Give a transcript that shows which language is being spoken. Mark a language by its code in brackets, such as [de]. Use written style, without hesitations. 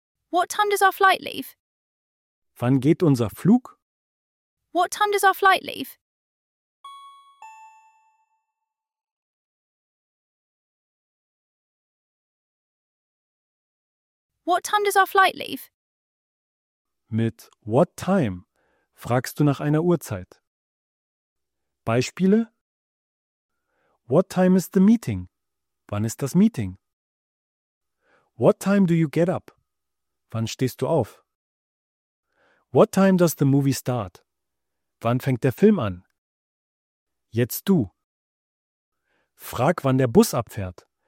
[en] What time does our flight leave? [de] Wann geht unser Flug? [en] What time does our flight leave? What time does our flight leave? [de] Mit [en] what time [de] fragst du nach einer Uhrzeit. Beispiele? [en] What time is the meeting? [de] Wann ist das Meeting? [en] What time do you get up? [de] Wann stehst du auf? [en] What time does the movie start? [de] Wann fängt der Film an? Jetzt du. Frag, wann der Bus abfährt.